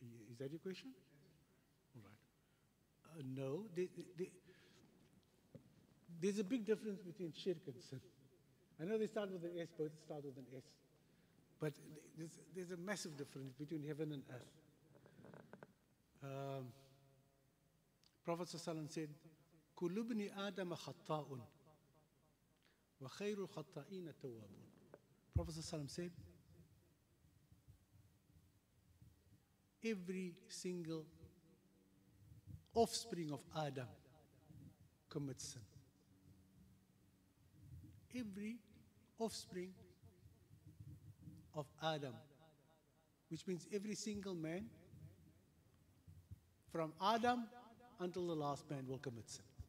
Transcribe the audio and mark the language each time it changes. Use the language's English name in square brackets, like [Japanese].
[English] Is that your question? All right. No. There's a big difference between shirk and sin. I know they start with an S, both start with an S. But there's a massive difference between heaven and earth. Prophet ﷺ said, [Arabic] كُلُّ بْنِ آدَمَ خَطَّاءٌ وَخَيْرُ الْخَطَّائِينَ التَّوَّابُونَ. [English] Prophet ﷺ said, every single offspring of Adam commits sin. Every offspring of Adam, which means every single man from Adam until the last man, will commit sin.